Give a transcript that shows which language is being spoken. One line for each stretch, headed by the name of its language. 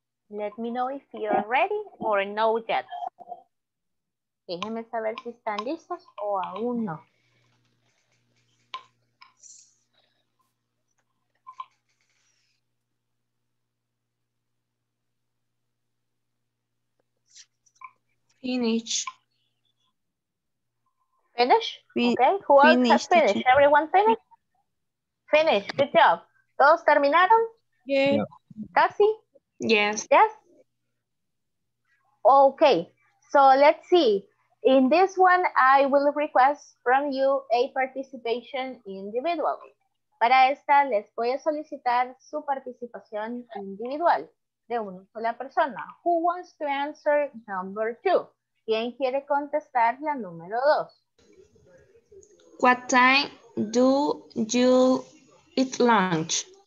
English: Let me know if you are ready or no yet.
Spanish: Déjenme saber si están listos o aún no.
English: Finish. Finish? Okay. Who else has finished? Everyone finished? Finish. Good job.
Spanish: ¿Todos terminaron?
English: Yeah.
Spanish: Casi.
English: Yes. Yes. Okay. So let's see. In this one, I will request from you a participation individually.
Spanish: Para esta, les voy a solicitar su participación individual de una sola persona.
English: Who wants to answer number two?
Spanish: ¿Quién quiere contestar la número dos?
English: What time do you eat lunch?